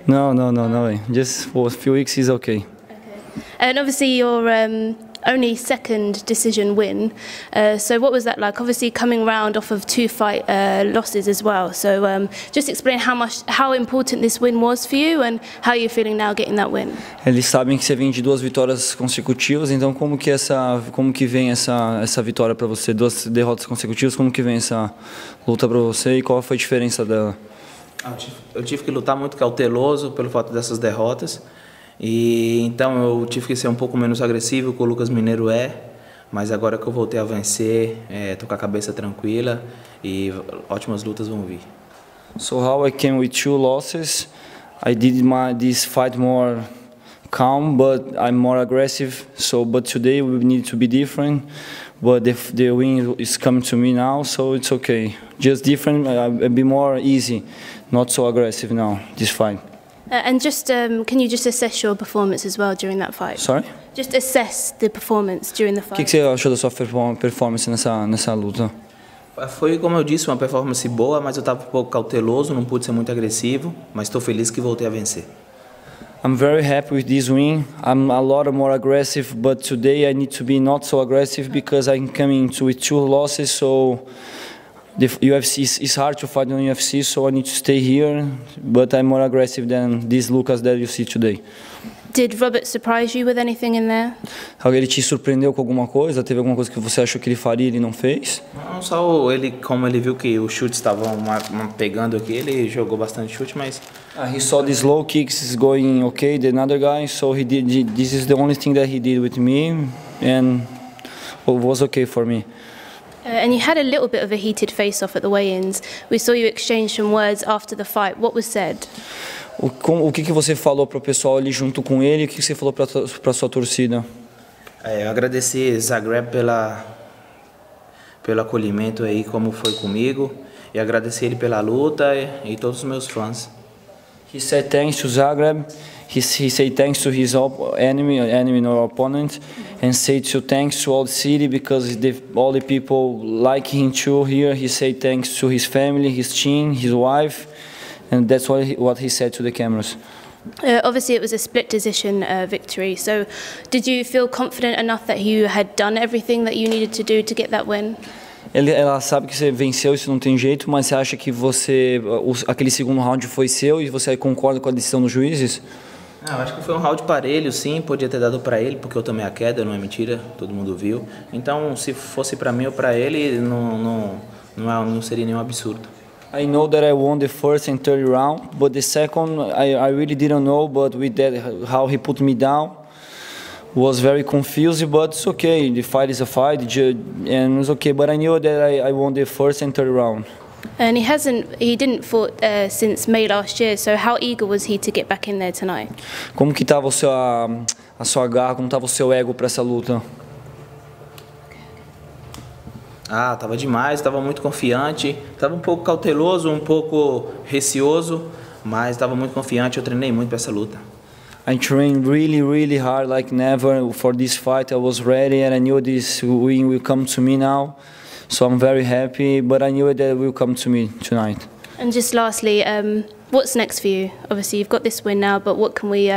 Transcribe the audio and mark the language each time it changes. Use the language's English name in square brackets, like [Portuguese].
[English] No. Just for a few weeks, it's okay. Okay. And obviously, your only second decision win. So what was that like? Obviously, coming round off of two fight losses as well. So just explain how important this win was for you and how you're feeling now getting that win. [Portuguese] Eles sabem que você vem de duas vitórias consecutivas. Então como que vem essa vitória para você? Duas derrotas consecutivas. Como que vem essa luta para você? E qual foi a diferença dela? Eu tive que lutar muito cauteloso pelo fato dessas derrotas. E então eu tive que ser um pouco menos agressivo com o Lucas Mineiro, mas agora que eu voltei a vencer, tô com a cabeça tranquila e ótimas lutas vão vir. [English] So how I came with two losses, I did this fight more calm, but I'm more aggressive. So but today we need to be different, but the win is coming to me now, so it's okay. Just different, I'll be more easy, not so aggressive now this fight. And just, can you just assess your performance as well during that fight? Sorry? Just assess the performance during the fight. [Portuguese] O que você achou da sua performance nessa luta? Foi, como eu disse, uma performance boa, mas eu estava um pouco cauteloso, não pude ser muito agressivo, mas estou feliz que voltei a vencer. [English] I'm very happy with this win. I'm a lot more aggressive, but today I need to be not so aggressive because I'm coming with two losses, so the UFC is hard to fight on the UFC, so I need to stay here, but I'm more aggressive than this Lucas that you see today. Did Robert surprise you with anything in there? [Portuguese] Alguém te surpreendeu com alguma coisa? Teve alguma coisa que você achou que ele faria e ele não fez? Não, só ele, como ele viu que os chutes estavam pegando aqui, ele jogou bastante chute, mas... [English] He saw the slow kicks going okay, the other guy, so he did, this is the only thing that he did with me, and it was okay for me. And you had a little bit of a heated face-off at the weigh-ins. We saw you exchange some words after the fight. What was said? [Portuguese] O que você falou para o pessoal ali junto com ele? O que você falou para sua torcida? Eu agradeci Zagreb pelo acolhimento aí, como foi comigo, e agradeci ele pela luta e todos os meus fãs. [English] He said thanks to Zagreb. He said thanks to his enemy or opponent, and said to thanks to all the city because all the people like him too here. He said thanks to his family, his team, his wife, and that's what he said to the cameras. Obviously, it was a split decision victory. So, did you feel confident enough that you had done everything that you needed to do to get that win? [Portuguese] Ela sabe que você venceu, isso não tem jeito, mas você acha que você aquele segundo round foi seu e você concorda com a decisão dos juízes? Ah, acho que foi um round parelho, sim, podia ter dado para ele, porque eu tomei a queda, não é mentira, todo mundo viu. Então, se fosse para mim ou para ele, não seria nenhum absurdo. [English] I know that I won the first and third round, but the second I really didn't know, but with that how he put me down. Was very confused, but it's okay. The fight is a fight, and it's okay. But I knew that I won the first and third round. And he didn't fought since May last year. So how eager was he to get back in there tonight? [Portuguese] Como que estava a sua garra? Como estava o seu ego para essa luta? Ah, estava demais. Estava muito confiante. Estava um pouco cauteloso, um pouco receoso, mas estava muito confiante. Eu treinei muito para essa luta. [English] I trained really, really hard, like never, for this fight. I was ready, and I knew this win will come to me now. So I'm very happy, but I knew that it will come to me tonight. And just lastly, what's next for you? Obviously, you've got this win now, but what can we?